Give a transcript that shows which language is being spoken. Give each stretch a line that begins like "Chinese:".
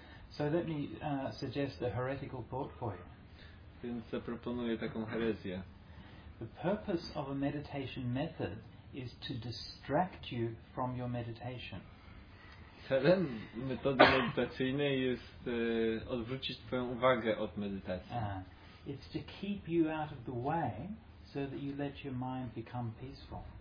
English: So let me suggest a heretical thought for you.
Polish: Więc zaproponuję taką herezję.
English: The purpose of a meditation method is to distract you from your meditation.
Polish: Celem metody medytacyjnej jest odwrócić twoją uwagę od medytacji.
English: It's to keep you out of the way so that you let your mind become peaceful.